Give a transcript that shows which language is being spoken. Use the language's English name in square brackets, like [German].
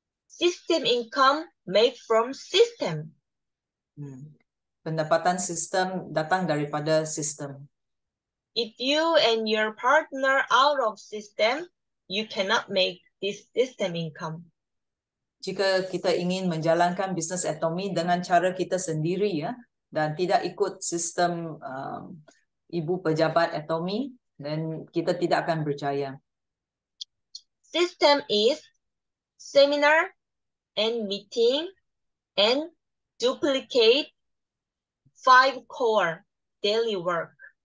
[English] System income made from system. [Malay] Pendapatan sistem datang daripada sistem. [English] If you and your partner out of system, you cannot make this system income. [Malay] Jika kita ingin menjalankan bisnes Atomy dengan cara kita sendiri ya, dan tidak ikut sistem ibu pejabat Atomy, then kita tidak akan berjaya. [English] System is seminar and meeting and duplicate 5 core daily work.